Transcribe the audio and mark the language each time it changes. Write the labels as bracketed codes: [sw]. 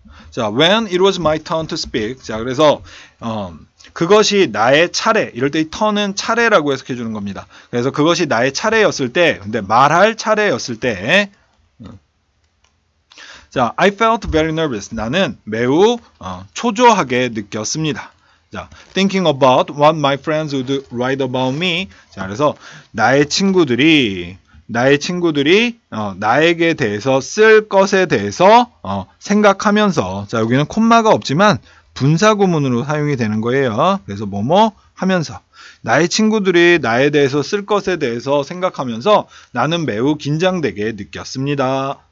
[ko] 자, [en] when it was my turn to speak. [ko] 자, 그래서 그것이 나의 차례. 이럴 때 이 턴은 차례라고 해석해 주는 겁니다. 그래서 그것이 나의 차례였을 때, 근데 말할 차례였을 때. 자, [en] I felt very nervous. [ko] 나는 매우 초조하게 느꼈습니다. 자, [en] thinking about what my friends would write about me. [ko] 자, 그래서 나의 친구들이 나에게 대해서 쓸 것에 대해서 생각하면서. 자, 여기는 콤마가 없지만 분사구문으로 사용이 되는 거예요. 그래서 뭐뭐 하면서 나의 친구들이 나에 대해서 쓸 것에 대해서 생각하면서 나는 매우 긴장되게 느꼈습니다.